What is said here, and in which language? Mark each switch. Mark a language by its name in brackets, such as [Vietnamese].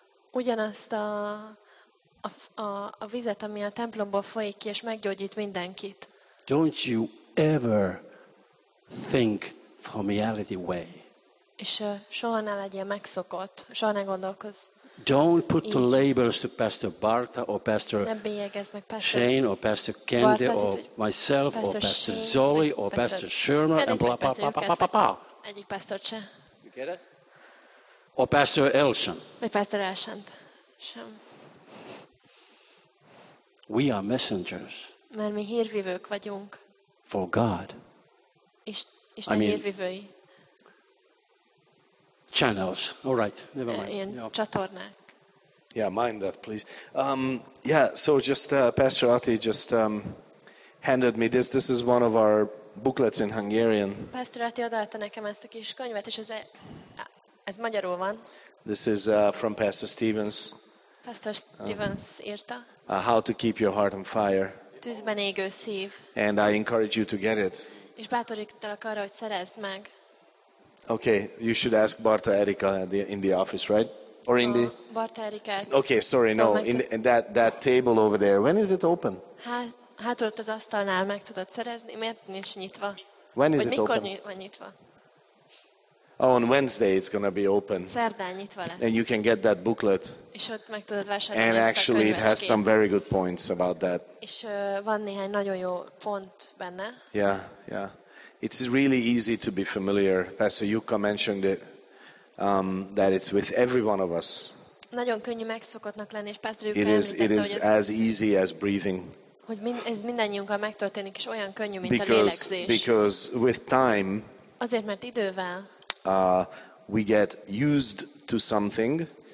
[Hungarian] Ugyanazt a vizet, ami a templomból folyik ki, és meggyógyít mindenkit. [English] Don't you ever think from reality way. [Hungarian] És soha ne legyél megszokott, soha ne gondolkozz. [English] Don't put the labels to Pastor Bartha or Pastor Shane or Pastor Candy or myself or Pastor Zoli or Pastor Shermer and blah, blah, blah, blah, blah, blah. [Hungarian] Egyik pastor se. [English] You get it? Or Pastor Elshan. [Hungarian] Vagy Pastor Elshan. Sem. [English] We are messengers. [Hungarian] Mert mi hírvivők vagyunk. [English] For God. [Hungarian] Isten hírvivői. [English] Channels. All right. Never mind. [Hungarian] Ilyen csatornák. [English] Yeah, mind that, please. So just Pastor Ati just handed me this. This is one of our booklets in Hungarian. [Hungarian] Pastor Ati odaadta nekem ezt a kis könyvet, és ez magyarul van. [English] This is from Pastor Stevens. [Hungarian] Pastor Stevens írta. [English] How to keep your heart on fire. [Hungarian] Tűzben égő szív. [English] And I encourage you to get it. [Hungarian] És bátorítalak arra, hogy szerezd meg. [English] Okay, you should ask Barta Erika in the office, right? Or in the [Hungarian] Barta Erika. [English] Okay, sorry, no, in that table over there. When is it open? [Hungarian] Hát ott az asztalnál meg tudod szerezni, mert nincs nyitva. [English] When is it open? [Hungarian] Mikor van nyitva? [English] Oh, on Wednesday it's going to be open. [Hungarian] Szerdán nyitva lesz. [English] And you can get that booklet. [Hungarian] És ott meg tudod vásárolni. [English] And actually it has some very good points about that. [Hungarian] És van néhány nagyon jó pont benne. [English] Yeah, yeah. It's really easy to be familiar. Pastor Yuka mentioned it, that it's with every one of us. [Hungarian] Nagyon könnyű megszokottnak lenni, és Pastor Yuka [English] it is as easy as breathing. [Hungarian] Hogy ez mindannyiunkkal megtörténik, és olyan könnyű, mint [English] because, [Hungarian] a lélegzés. [English] Because with time, [Hungarian] azért, mert idővel, [English] we get used to something.